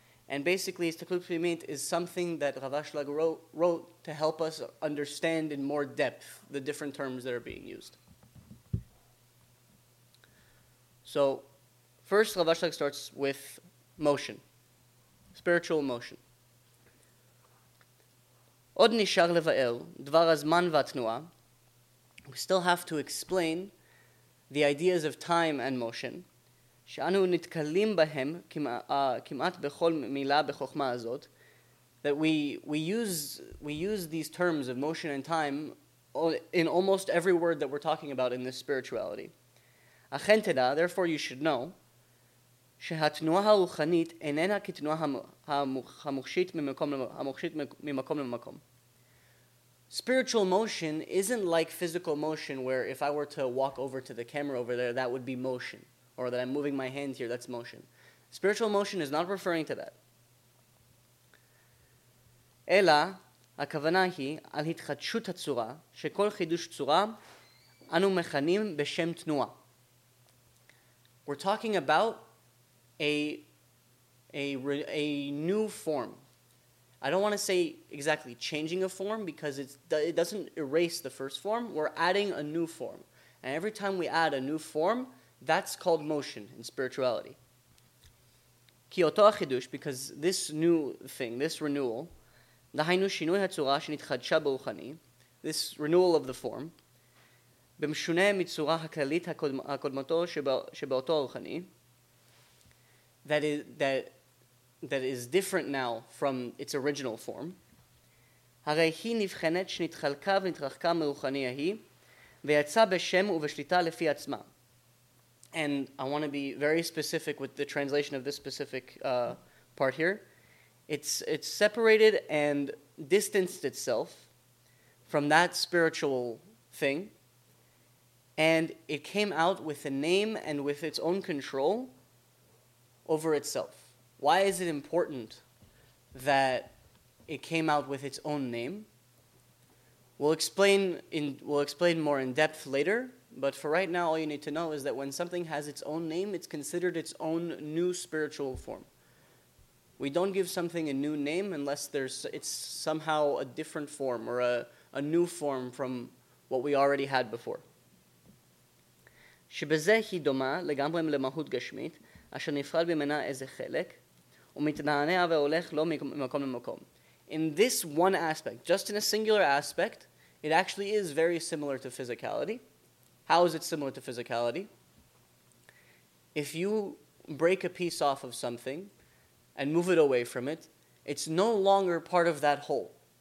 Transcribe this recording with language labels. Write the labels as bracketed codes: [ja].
[en] And basically, Histaklut Pnimit is something that Rav Ashlag wrote to help us understand in more depth the different terms that are being used. So first, Rav Ashlag starts with motion, spiritual motion. [he] עוד נשאר לבאר דבר הזמן והתנועה. [en] We still have to explain the ideas of time and motion. [he] שאנו נתקלים בהם כמעט בכל מילה בחוכמה הזאת. [en] That we use these terms of motion and time in almost every word that we're talking about in this spirituality. [he] אכן תדע, [en] therefore you should know, [he] שהתנועה הרוחנית איננה כתנועה המוחשית ממקום למקום. [en] Spiritual motion isn't like physical motion, where if I were to walk over to the camera over there, that would be motion. Or that I'm moving my hand here, that's motion. Spiritual motion is not referring to that. [he] אלא, הכוונה היא על התחדשות הצורה, שכל חידוש צורה אנו מכנים בשם תנועה. [en] We're talking about a new form. I don't want to say exactly changing a form, because it doesn't erase the first form. We're adding a new form. And every time we add a new form, that's called motion in spirituality. [he] כי אותו החידוש, [en] because this new thing, this renewal, [he] דהיינו שינוי הצורה שנתחדשה ברוחני, [en] this renewal of the form, [he] במשונה מצורה הכללית הקודמתו שבאותו הרוחני, [en] that is different now from its original form. [he] הרי היא נבחנת שנתחלקה ונתרחקה מרוחני ההיא, ויצא בשם ובשליטה לפי עצמה. [en] And I want to be very specific with the translation of this specific part here. It's separated and distanced itself from that spiritual thing, and it came out with a name and with its own control over itself. Why is it important that it came out with its own name? We'll explain more in depth later, but for right now, all you need to know is that when something has its own name, it's considered its own new spiritual form. We don't give something a new name unless it's somehow a different form or a new form from what we already had before. [he] שבזה היא דומה לגמרי למהות גשמית, אשר נפרד ממנה איזה חלק, ומתנענע והולך לא ממקום למקום. [en] In this one aspect, just in a singular aspect, it actually is very similar to physicality. How is it similar to physicality? If you break a piece off of something and move it away from it, it's no longer part of that whole.